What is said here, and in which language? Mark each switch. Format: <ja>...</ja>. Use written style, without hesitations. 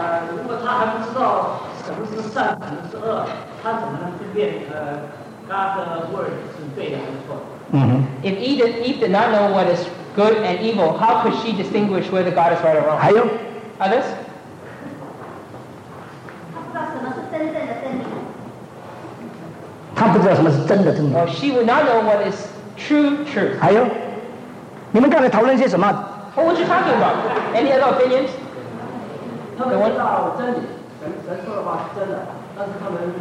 <zh>如果他还不知道什么是善，什么是恶，他怎么能分辨</zh> <en>God's word</en> <zh>是对的还是错的？</zh> <en>If Eve did not know what is good and evil, how could she distinguish whether God is right or wrong?</en> <zh>还有</zh> <en>others?</en> <zh>他不知道什么是真正的真理。他不知道什么是真的真理。</zh> <en>Oh, she would not know what is true truth.</en> <zh>还有，你们刚才讨论些什么</zh> <en>？What were you talking about? Any other opinions?</en> <zh>他们知道真理，神说的话是真的，但是他们。</zh>